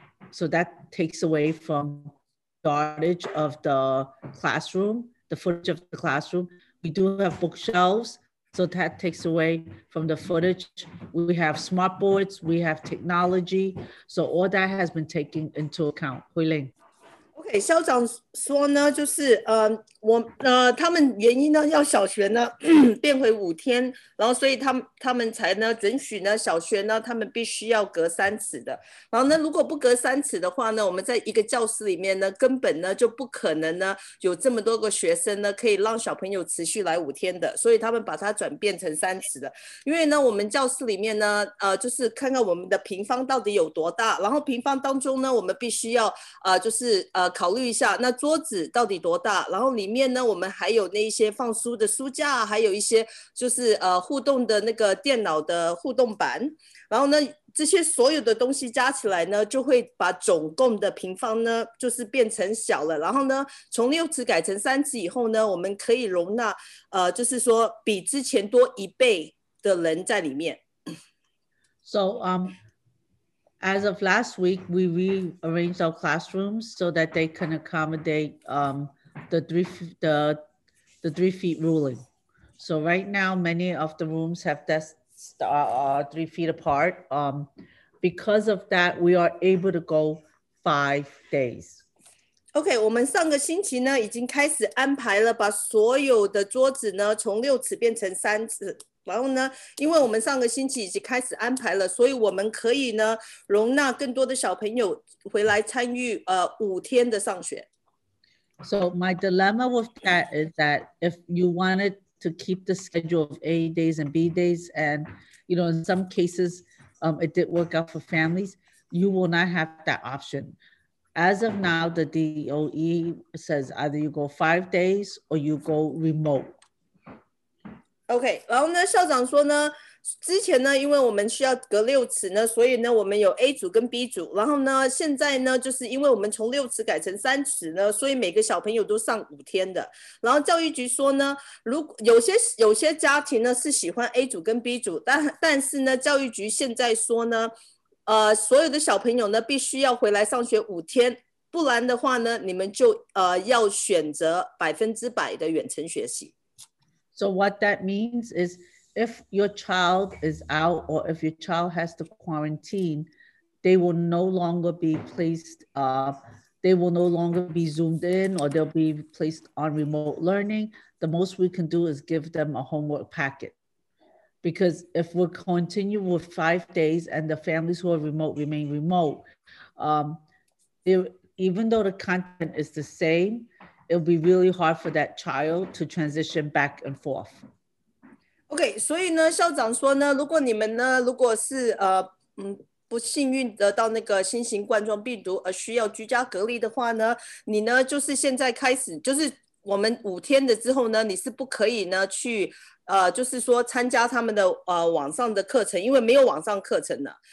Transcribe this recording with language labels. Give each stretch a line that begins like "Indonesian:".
English: So that takes away from the yardage of the classroom, the footage of the classroom. We do have bookshelves. So that takes away from the footage. We have smart boards, we have technology. So all that has been taken into account. Huiling.
Chinese: Okay, 校长说呢, 就是, 他们原因呢, 要小学呢, 变回5天, 然后所以他们才呢, 准许呢, 小学呢, 他们必须要隔3尺的, 然后呢, 如果不隔3尺的话呢, 我们在一个教室里面呢, 根本呢, 就不可能呢, 有这么多个学生呢, 可以让小朋友持续来5天的, 所以他们把它转变成3尺的, 因为呢, 我们教室里面呢, 就是看看我们的平方到底有多大, 然后平方当中呢, 我们必须要, 就是, 考虑 那桌子到底多大 然后里面呢, 我们还有那些放书的书架, 还有一些就是, 互动的那个电脑的互动板, 然后呢, 这些所有的东西加起来呢, 就会把总共的平方呢, 就是变成小了, 然后呢, 从6尺改成3尺以后呢, 我们可以容纳, 就是说, 比之前多一倍的人在里面。
English: So, as of last week, we rearranged our classrooms so that they can accommodate the three feet ruling. So right now, many of the rooms have desks 3 feet apart. Because of that, we are able to go 5 days.
Chinese: Okay, 我们上个星期呢, 已经开始安排了, 把所有的桌子呢, 从6尺变成3尺。然后呢, 因为我们上个星期已经开始安排了, 所以我们可以呢, 容纳更多的小朋友回来参与, 5天的上学。
English: So my dilemma with that is that if you wanted to keep the schedule of A days and B days, and you know, in some cases, it did work out for families, you will not have that option. As of now, the DOE says either you go 5 days or you go remote.
Chinese: OK， 然后呢，校长说呢，之前呢，因为我们需要隔六尺呢，所以呢，我们有 A 组跟 B 组，然后呢，现在呢，就是因为我们从六尺改成三尺呢，所以每个小朋友都上5天的。然后教育局说呢，如果有些家庭呢是喜欢 A 组跟 B 组，但是呢，教育局现在说呢，所有的小朋友呢必须要回来上学5天，不然的话呢，你们就要选择100%的远程学习。
English: So what that means is if your child is out or if your child has to quarantine, they will no longer be placed, they will no longer be zoomed in or they'll be placed on remote learning. The most we can do is give them a homework packet. Because if we continue with 5 days and the families who are remote remain remote, even though the content is the same, it'll be really hard for that child to transition back and forth.
Chinese: OK，所以呢，校长说呢，如果你们呢，如果是不幸运得到那个新型冠状病毒而需要居家隔离的话呢，你呢就是现在开始，就是我们5天的之后呢，你是不可以呢去就是说参加他们的网上的课程，因为没有网上课程了。